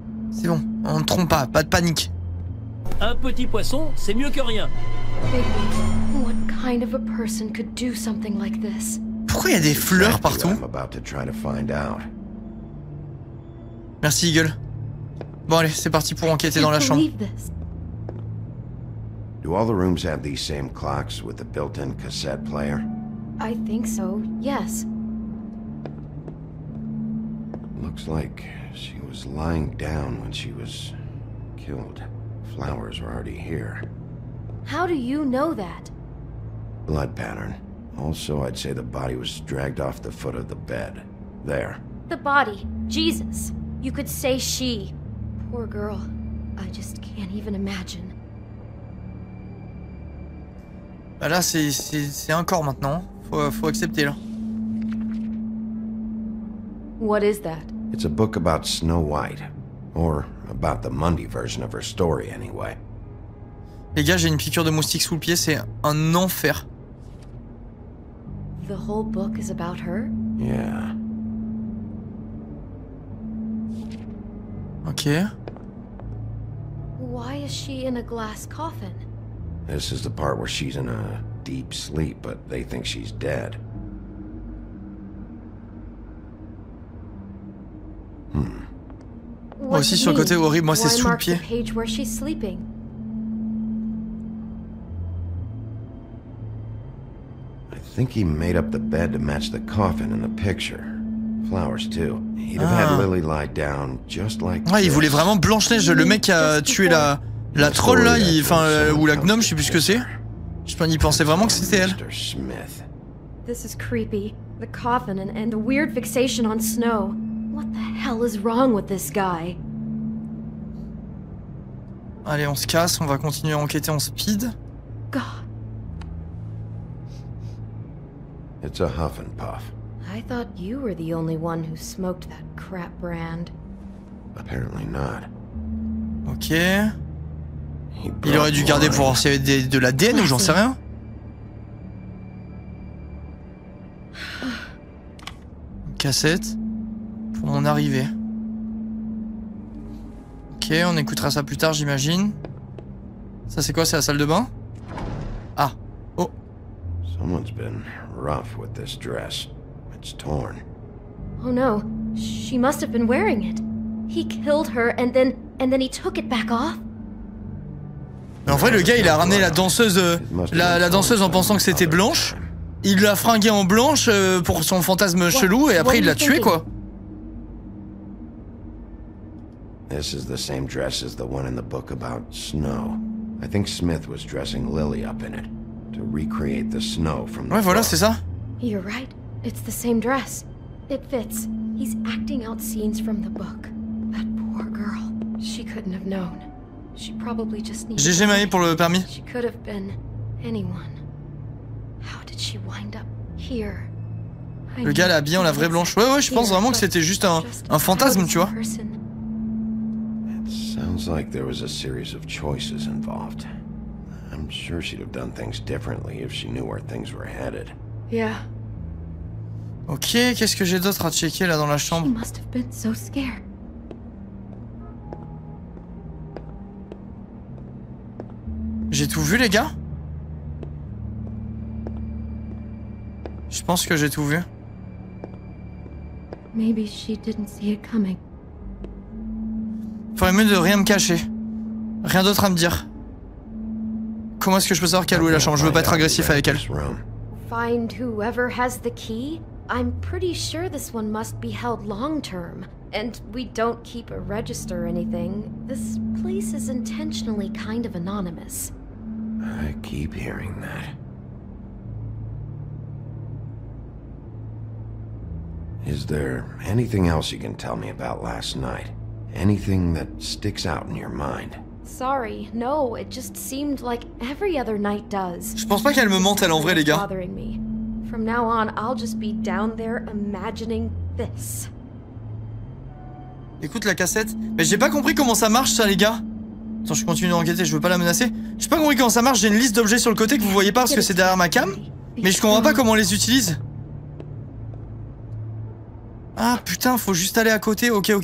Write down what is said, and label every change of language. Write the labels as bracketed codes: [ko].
[fr] C'est bon, on ne trompe pas, pas de panique. Un petit poisson, c'est mieux que rien. [en] Baby, what kind of a person could do something like this? [fr] Pourquoi il y a des fleurs partout? [en] I'm about to try to find out. [fr] Merci, Eagle. Bon allez, c'est parti pour enquêter dans la chambre. [en] Do all the rooms have these same clocks with a built-in cassette player? I think so. Yes. Looks like she was lying down when she was killed. Flowers are already here. How do you know that? Blood pattern. Also, I'd say the body was dragged off the foot of the bed. There. The body. Jesus. You could say she. Poor girl. I just can't even imagine. [fr] Bah là, c'est un corps maintenant. Faut accepter, là. [en] What is that? It's a book about Snow White. Or about the Monday version of her story, anyway. [fr] Les gars, j'ai une piqûre de moustique sous le pied, c'est un enfer. [en] The whole book is about her? Yeah. Ok. Why is she in a glass coffin? This is the part where she's in a deep sleep, but they think she's dead. Hmm. [fr] Moi aussi sur le côté horrible, moi c'est sous le pied. [en] Why mark the page where she's sleeping? I think he made up the bed to match the coffin in the picture. Flowers too. He'd have had Lily lie down just like. [fr] Ouais, il voulait vraiment Blanche-Neige. Le mec a tué la troll là, enfin ou la gnome, je sais plus ce que c'est. Je pense qu'il pensait vraiment que c'était elle. [en] This is creepy. The coffin and the weird fixation on Snow. What the hell is wrong with this guy? [fr] Allez, on se casse. On va continuer à enquêter en speed. [en] God. It's a huff and puff. I thought you were the only one who smoked that crap brand. Apparently not. Ok. [fr] Il aurait dû garder pour voir s'il y avait de l'ADN ou j'en sais rien. Une cassette. Pour mon arrivée. Ok, on écoutera ça plus tard, j'imagine. Ça, c'est quoi? C'est la salle de bain? Ah. Oh. [en] Someone's been. Rough with this dress. It's torn. Oh no. She must have been wearing it. He killed her and then he took it back off. [fr] Mais en vrai le gars il a ramené la danseuse la danseuse en pensant que c'était Blanche. Il l'a fringué en Blanche pour son fantasme chelou et après il l'a tué quoi. [en] This is the same dress as the one in the book about Snow. I think Smith was dressing Lily up in it. To recreate the snow from the [fr] ouais, voilà, c'est ça. [en] You're right. It's the same dress. It fits. He's acting out scenes from the book. That poor girl. She couldn't have known. She probably just needed. [fr] GG Maï pour le permis. [en] She could have been anyone. How did she wind up here? [fr] Le gars l'a habillé en la vraie Blanche. Ouais, je pense vraiment que c'était juste un fantasme, tu vois. [en] It sounds like there was a series of choices involved. I'm sure she'd have done things differently if she knew where things were headed. Yeah. [fr] Ok, qu'est-ce que j'ai d'autre à checker là dans la chambre? [en] She must have been so scared. [fr] J'ai tout vu, les gars? Je pense que j'ai tout vu. [en] Maybe she didn't see it coming. [fr] Faudrait mieux de rien me cacher. Rien d'autre à me dire. Comment est-ce que je peux savoir qui a loué la chambre? Je veux pas être agressif avec elle. [en] Find whoever has the key. I'm pretty sure this one must be held long term, and we don't keep a register or anything. This place is intentionally kind of anonymous. I keep hearing that. Is there anything else you can tell me about last night? Anything that sticks out in your mind? Sorry, no, it just seemed like every other night does. [fr] Je pense pas qu'elle me mente, elle, en vrai, les gars. [en] Bothering me. From now on, I'll just be down there imagining this. [fr] Écoute la cassette. Mais j'ai pas compris comment ça marche, ça, les gars. Attends, je continue d'enquêter, je veux pas la menacer. J'ai pas compris comment ça marche, j'ai une liste d'objets sur le côté que vous voyez pas parce que c'est derrière ma cam. Mais je comprends pas comment on les utilise. Ah, putain, faut juste aller à côté, ok, ok.